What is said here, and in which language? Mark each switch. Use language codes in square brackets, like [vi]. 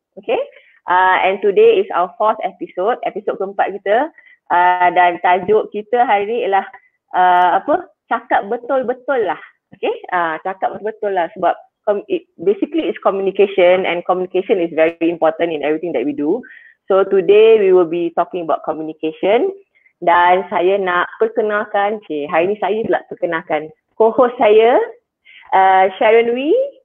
[en] Okay, and today is our fourth episode, [ms] episode keempat kita. Dan tajuk kita hari ni ialah cakap betul-betul lah. [en] Okay, [ms] cakap betul-betul lah sebab [en] basically it's communication and communication is very important in everything that we do. So today we will be talking about communication [ms] dan saya nak perkenalkan, hari ni saya pula perkenalkan co-host saya, Sharon Wee.